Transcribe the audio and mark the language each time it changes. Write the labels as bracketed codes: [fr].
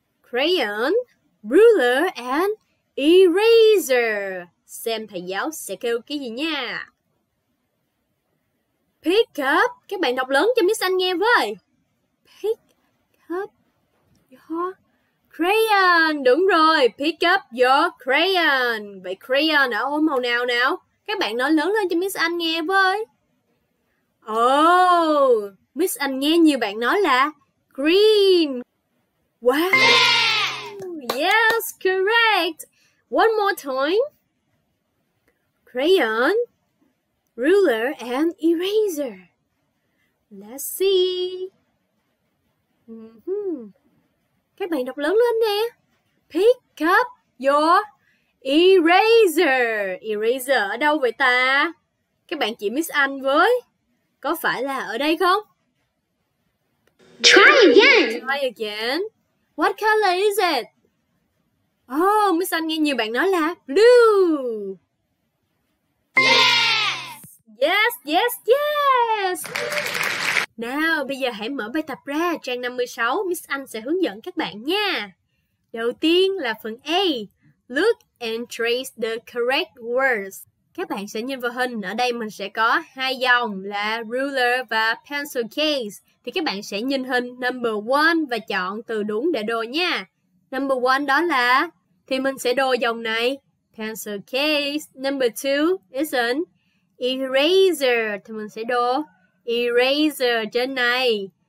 [en] Crayon, ruler and eraser. [vi] Xem thầy giáo sẽ kêu cái gì nha. [en] Pick up. [vi] Các bạn đọc lớn cho Miss Anh nghe với. [en] Crayon, [vi] đúng rồi, [en] pick up your crayon. [vi] Vậy crayon ở ô màu nào nào? Các bạn nói lớn lên cho Miss Anh nghe với. Oh, Miss Anh nghe nhiều bạn nói là green. [en] Wow, yes, correct. One more time. Crayon, ruler and eraser. Let's see. [vi] Các bạn đọc lớn lên nè. [en] Pick up your [vi] Eraser. Eraser ở đâu vậy ta? Các bạn chỉ miss Anh với. Có phải là ở đây không? [en] Try again. Try again. What color is it? [vi] Oh, Miss Anh nghe nhiều bạn nói là blue. [en] Yes. Yes, yes, yes. [vi] Nào, bây giờ hãy mở bài tập ra trang 56. Miss Anh sẽ hướng dẫn các bạn nha. Đầu tiên là phần A. [en] Look and trace the correct words. [vi] Các bạn sẽ nhìn vào hình. Ở đây mình sẽ có hai dòng là ruler và pencil case. Thì các bạn sẽ nhìn hình number 1 và chọn từ đúng để đồ nha. Number 1 đó là, thì mình sẽ đồ dòng này, pencil case. [en] Number 2 is an eraser, [vi] thì mình sẽ đồ eraser trên này.